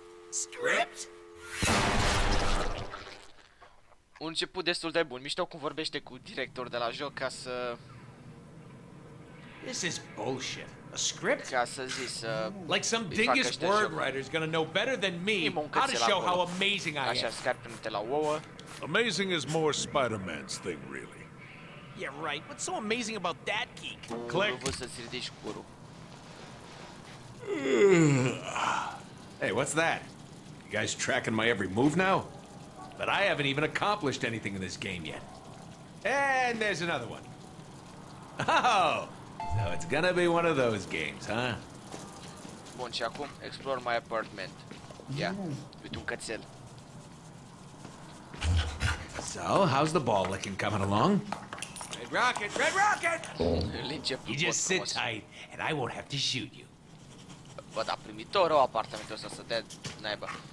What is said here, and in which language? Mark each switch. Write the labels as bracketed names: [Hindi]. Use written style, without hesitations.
[English] Script? [Romanian] Un început destul de bun. Mișto cum vorbește cu director de la joc ca să... [English] This is bullshit. A script? [Romanian] Ca să zic să... [English] Like some dingus word writer is gonna know better than me how to show how amazing I am. [Romanian] Așa, scarpin de la ouă. [English] Amazing is more Spider-Man's thing, really. Yeah, right. What's so amazing about that geek? [Romanian] Click. Nu să-ți ridici curul. [English] Hey, what's that? You guys tracking my every move now? But I haven't even accomplished anything in this game yet. And there's another one. Oh! So it's gonna be one of those games, huh? [Romanian] Bun, și acum, [English] explore my apartment. Yeah, with [Romanian] un cățel. [English] So, how's the ball looking coming along? Red Rocket, Red Rocket! You just sit tight, and I won't have to shoot you. [Romanian] Bă, dar primitorul apartamentul ăsta să dea naiba.